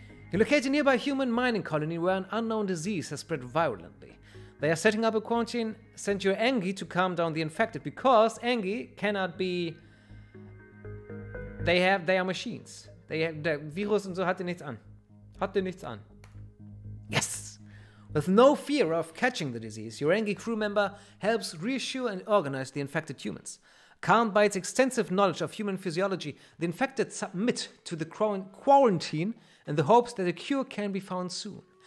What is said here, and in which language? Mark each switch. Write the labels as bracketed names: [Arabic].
[English] You locate a nearby human mining colony where an unknown disease has spread violently. They are setting up a quarantine. Send your Engie to calm down the infected, because Engie cannot be... They are machines. [German] Der Virus und so hat dir nichts an. Hat dir nichts an. Yes! [English] With no fear of catching the disease, your Engie crew member helps reassure and organize the infected humans. Calmed by its extensive knowledge of human physiology, the infected submit to the quarantine in the hopes that a cure can be found soon.